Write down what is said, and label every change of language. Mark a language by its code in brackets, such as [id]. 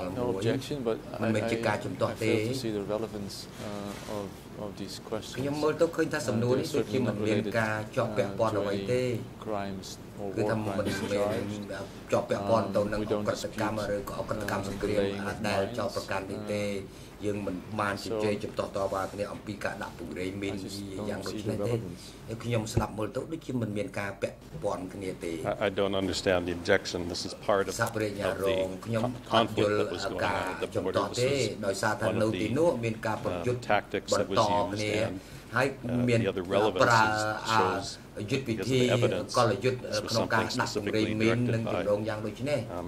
[en] objection, but I fail to see the relevance of these questions. They're certainly not related to any crimes or war crimes charged. We don't dispute laying mines. [km] យើងមិនបានជជែកចំតតបាទគ្នាអំពីការដាក់ពង្រាយមីនយ៉ាងដូចនេះទេ ហើយខ្ញុំស្ដាប់មើលទៅដូចជាមិនមានការពាក់ព័ន្ធគ្នាទេ [en] I don't understand the objection this is part of the [km] ខ្ញុំអត់យល់ការចំតទេ ដោយសារថានៅទីនោះមានការប្រយុទ្ធ បន្តគ្នាហើយមានប្រើយុទ្ធវិធីកលយុទ្ធក្នុងការដាក់ពង្រាយមីននិងជំរងយ៉ាងដូចនេះ